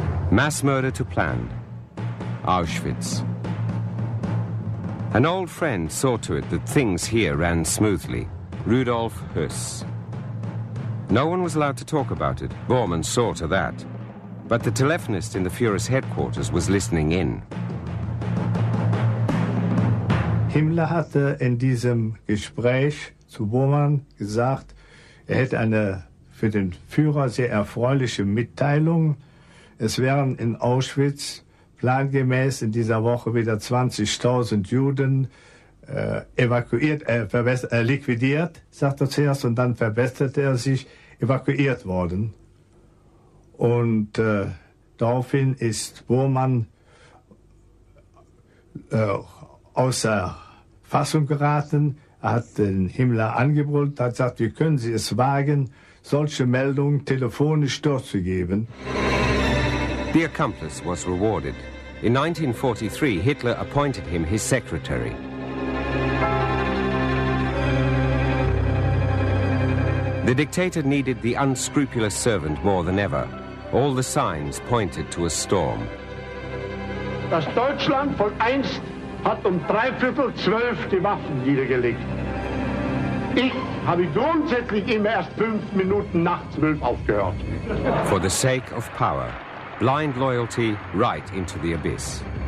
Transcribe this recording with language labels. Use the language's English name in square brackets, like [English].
[English] Mass murder to plan. Auschwitz. An old friend saw to it that things here ran smoothly. Rudolf Huss. No one was allowed to talk about it. Bormann saw to that. But the telephonist in the Führer's headquarters was listening in. [German] Himmler hatte in diesem Gespräch zu Bormann gesagt, er hätte eine für den Führer sehr erfreuliche Mitteilung. Es wären in Auschwitz plangemäß in dieser Woche wieder 20.000 Juden liquidiert, sagt er zuerst, und dann verbesserte er sich, evakuiert worden. Und daraufhin ist Bormann außer Fassung geraten, er hat den Himmler angebrüllt, hat gesagt, wie können Sie es wagen, solche Meldungen telefonisch durchzugeben. [English] The accomplice was rewarded. In 1943, Hitler appointed him his secretary. The dictator needed the unscrupulous servant more than ever. All the signs pointed to a storm. [German] Das Deutschland von einst hat um 11:45 die Waffen niedergelegt. Ich habe grundsätzlich immer erst 5 Minuten nach 12 aufgehört. [English] For the sake of power, blind loyalty right into the abyss.